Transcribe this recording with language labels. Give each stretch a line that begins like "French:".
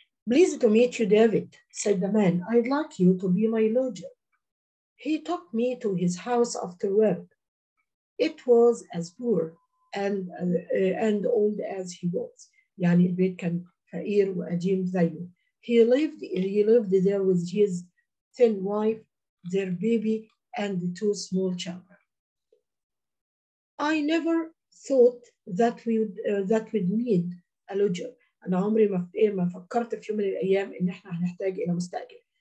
English: Pleased to meet you, David, said the man. I'd like you to be my lodger. He took me to his house after work. It was as poor and old as he was.
Arabic: يعني البيت كان فقير وقديم زيه.
English: He lived there with his thin wife, their baby, and the two small children. I never thought that we'd need a lodger.
Arabic: أنا عمري ما فكرت في يوم من الأيام إن إحنا هنحتاج إلى مستأجر.